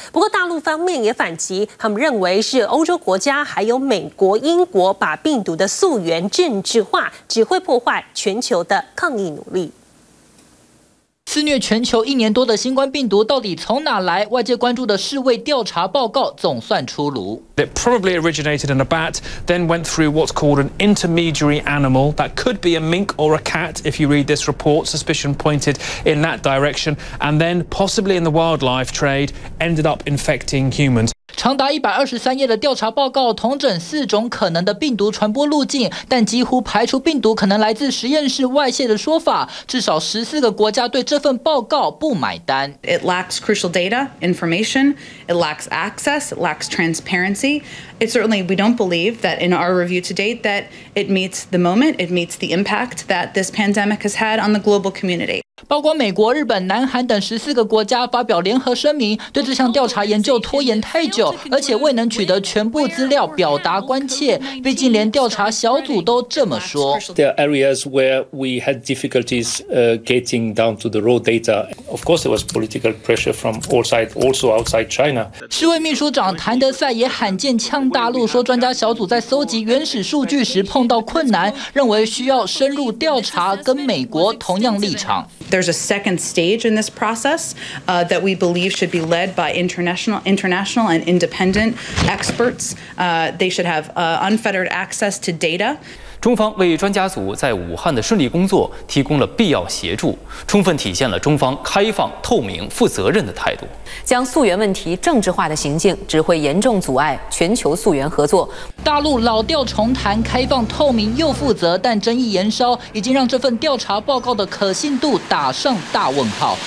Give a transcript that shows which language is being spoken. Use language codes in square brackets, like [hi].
[zh] 不过大陆方面也反击，他们认为是欧洲国家还有美国、英国把病毒的溯源政治化，只会破坏全球的抗疫努力。肆虐全球一年多的新冠病毒到底从哪来？外界关注的世卫调查报告总算出炉。 [en] It probably originated in a bat, then went through what's called an intermediary animal. That could be a mink or a cat. If you read this report, suspicion pointed in that direction, and then possibly in the wildlife trade, ended up infecting humans. [zh] 长达123页的调查报告统整四种可能的病毒传播路径，但几乎排除病毒可能来自实验室外泄的说法。至少14个国家对这份报告不买单。 [en] It lacks crucial data, information. It lacks access. It lacks transparency. It certainly, we don't believe that in our review to date that it meets the moment. It meets the impact that this pandemic has had on the global community. [zh] 包括美国、日本、南韩等14个国家发表联合声明，对这项调查研究拖延太久，而且未能取得全部资料表达关切。毕竟连调查小组都这么说。 [en] There are areas where we had difficulties getting down to the raw data. Of course, there was political pressure from all sides, also outside China. [zh] 世卫秘书长谭德赛也罕见呛大陆，说专家小组在搜集原始数据时碰到困难，认为需要深入调查，跟美国同样立场。 [en] There's a second stage in this process, that we believe should be led by international and independent experts. They should have, unfettered access to data. [zh] 中方为专家组在武汉的顺利工作提供了必要协助，充分体现了中方开放、透明、负责任的态度。将溯源问题政治化的行径，只会严重阻碍全球溯源合作。大陆老调重弹，开放、透明又负责，但争议延烧，已经让这份调查报告的可信度打上大问号。